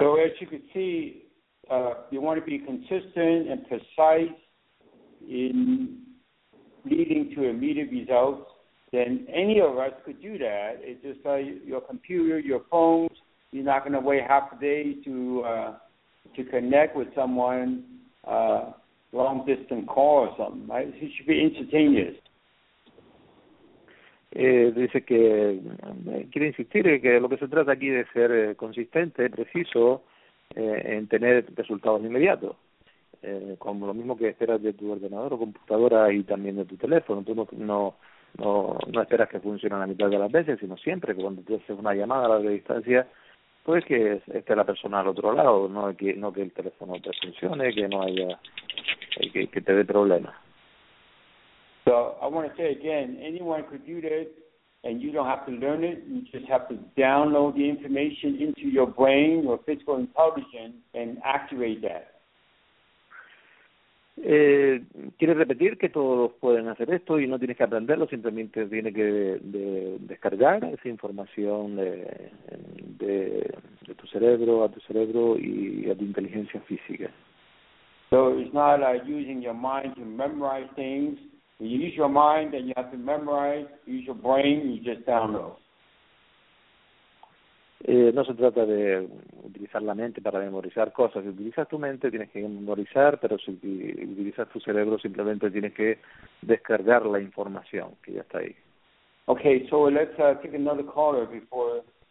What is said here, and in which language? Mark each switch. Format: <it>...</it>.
<en>So as you can see, you want to be consistent and precise in leading to immediate results, then any of us could do that. It's just like your computer, your phones, you're not going to wait half a day to connect with someone, long distance call or something, right? It should be instantaneous.</en> <es>Dice que quiere insistir en que lo que se trata aquí de ser consistente, preciso, en tener resultados inmediatos, como lo mismo que esperas de tu ordenador o computadora y también de tu teléfono. Tú no esperas que funcione a la mitad de las veces, sino siempre que cuando tú haces una llamada a larga distancia, pues que esté la persona al otro lado, no que el teléfono te funcione, que no haya, que te dé problemas.</es> <en>So I want to say again, anyone could do that, and you don't have to learn it. You just have to download the information into your brain or physical intelligence and activate that.</en> <es>Quiere repetir que todos pueden hacer esto y no tienes que aprenderlo, simplemente tienes que descargar esa información de tu cerebro, a tu cerebro y a tu inteligencia física.</es> <en>So it's not like using your mind to memorize things. You use your mind and you have to memorize, use your brain, you just download.</en> <es>No se trata de utilizar la mente para memorizar cosas. Si utilizas tu mente, tienes que memorizar, pero si utilizas tu cerebro, simplemente tienes que descargar la información que ya está ahí. Okay, so let's take another caller before.</es>